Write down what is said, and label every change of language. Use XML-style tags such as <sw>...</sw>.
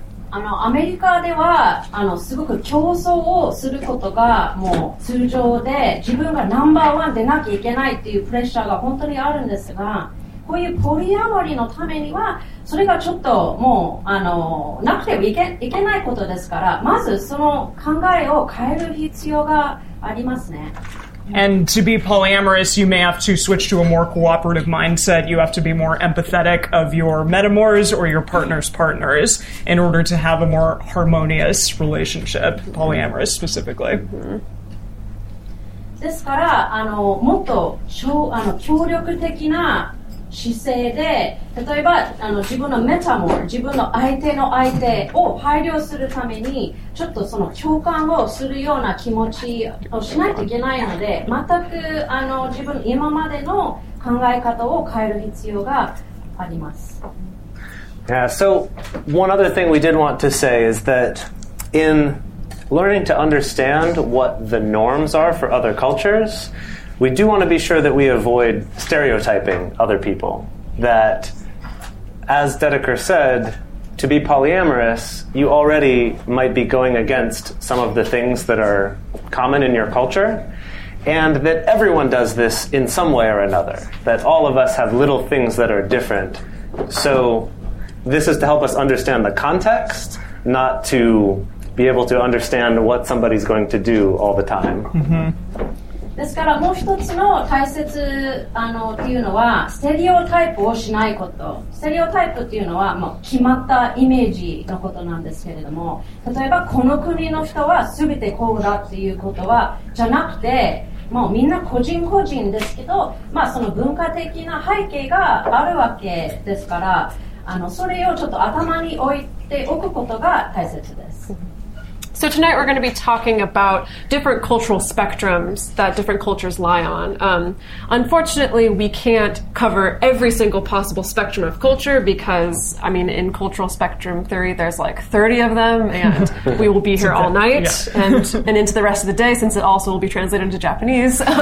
<ja>あの、アメリカでは、あの、すごく競争をすることがもう通常で、自分がナンバーワンでなきゃいけないっていうプレッシャーが本当にあるんですが、こういうポリアモリのためにはそれがちょっともうあのなくてはいけないことですから、まずその考えを変える必要がありますね。</ja> <en>And to be polyamorous, you may have to switch to a more cooperative mindset. You have to be more empathetic of your metamors or your partner's partners in order to have a more harmonious relationship, polyamorous specifically.</en> <ja>ですから、あのもっとあの協力的な姿勢で、例えばあの自分のメタモル、自分の相手の相手を配慮するためにちょっとその共感をするような気持ちをしないといけないので、全くあの自分の今までの考え方を変える必要があります。</ja> <en>Yeah, so one other thing we did want to say is that in learning to understand what the norms are for other cultures,We do want to be sure that we avoid stereotyping other people. That, as Dedeker said, to be polyamorous, you already might be going against some of the things that are common in your culture, and that everyone does this in some way or another. That all of us have little things that are different. So this is to help us understand the context, not to be able to understand what somebody's going to do all the time. Mm-hmm.</en> <ja>ですからもう一つの大切というのはステレオタイプをしないこと。ステレオタイプというのはもう決まったイメージのことなんですけれども、例えばこの国の人は全てこうだっていうことはじゃなくて、もうみんな個人個人ですけど、まあその文化的な背景があるわけですから、それをちょっと頭に置いておくことが大切です。</ja> <en>So tonight we're going to be talking about different cultural spectrums that different cultures lie on. Unfortunately, we can't cover every single possible spectrum of culture because, I mean, in cultural spectrum theory, there's like 30 of them, and we will be here all night and into the rest of the day, since it also will be translated into Japanese.</en>